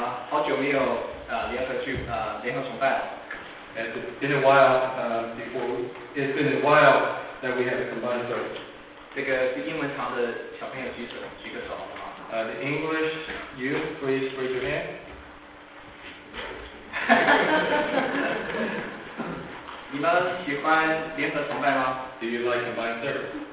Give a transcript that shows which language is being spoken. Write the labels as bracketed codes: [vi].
[zh] 好久没有联合聚联合崇拜了。 [en] It's been a while it's been a while that we have a combined service。 [zh] 这个是英文堂的小朋友举手，举个手好不好？ [en] The English youth, please raise your hand。 [zh] 你们喜欢联合崇拜吗 [en] ？Do you like combined service？